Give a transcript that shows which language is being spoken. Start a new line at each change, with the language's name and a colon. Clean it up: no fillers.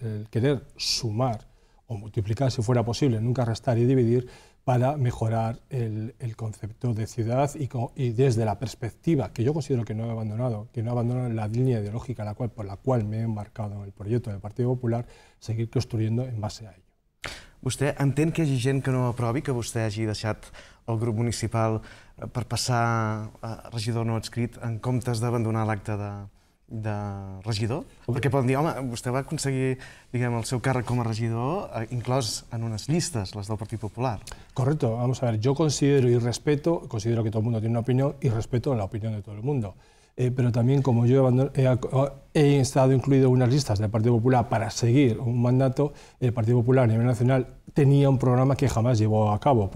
Spanish: querer sumar, o multiplicar si fuera posible, nunca restar y dividir, para mejorar el concepto de ciudad y desde la perspectiva, que yo considero que no he abandonado, que no he abandonado la línea ideológica por la cual me he embarcado en el proyecto del Partido Popular, seguir construyendo en base a ello.
Catalan: Vostè entén que hi hagi gent que no aprovi que vostè hagi deixat el grup municipal per passar a regidor no adscrit en comptes d'abandonar l'acte de regidor? Perquè poden dir, home, vostè va aconseguir, diguem, el seu càrrec com a regidor, inclòs en unes llistes, les del Partit Popular.
Spanish: Correcto, vamos a ver, yo considero y respeto, considero que todo el mundo tiene una opinión y respeto la opinión de todo el mundo. Pero también como yo he estado incluido en unas listas del Partido Popular para seguir un mandato, el Partido Popular a nivel nacional tenía un programa que jamás llevó a cabo.